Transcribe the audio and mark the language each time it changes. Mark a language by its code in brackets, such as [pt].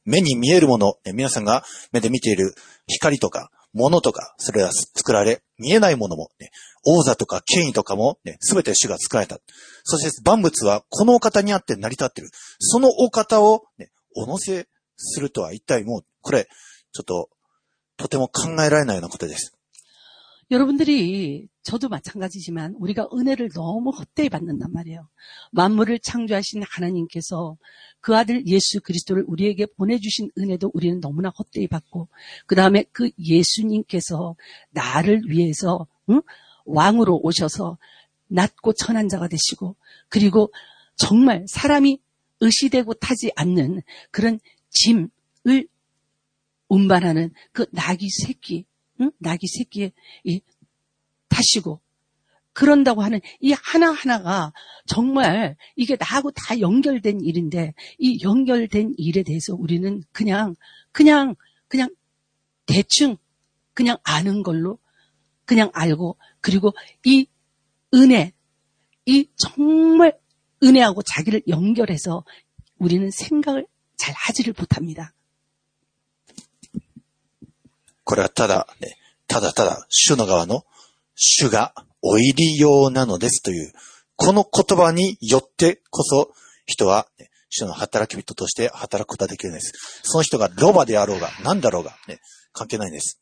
[ja] 目に見えるもの、皆さんが目で見ている光とか、物とか、それは作られ、見えないものも、ね、王座とか権威とかも、ね、すべて主が作られた。そして万物はこのお方にあって成り立っている。そのお方を、ね、お乗せするとは一体もう、これ、ちょっと、とても考えられないようなことです。 [ko] 여러분들이 저도 마찬가지지만 우리가 은혜를 너무 헛되이 받는단 말이에요. 만물을 창조하신 하나님께서 그 아들 예수 그리스도를 우리에게 보내주신 은혜도 우리는 너무나 헛되이 받고 그 다음에 그 예수님께서 나를 위해서 응? 왕으로 오셔서 낮고 천한 자가 되시고 그리고 정말 사람이 의시되고 타지 않는 그런 짐을 운반하는 그 나귀 새끼 응? 나귀 새끼에 이, 타시고 그런다고 하는 이 하나하나가 정말 이게 나하고 다 연결된 일인데 이 연결된 일에 대해서 우리는 그냥 대충 그냥 아는 걸로 그냥 알고 그리고 이 은혜 이 정말 은혜하고 자기를 연결해서 우리는 생각을 잘 하지를 못합니다. 그래 [ja] ただ [ko] 네. [ja] ただただ主の側の主がおいりようなのですというこの言葉によってこそ人は主の働き人として働くことができるんです。その人がロバであろうが何だろうが、ね、関係ないんです。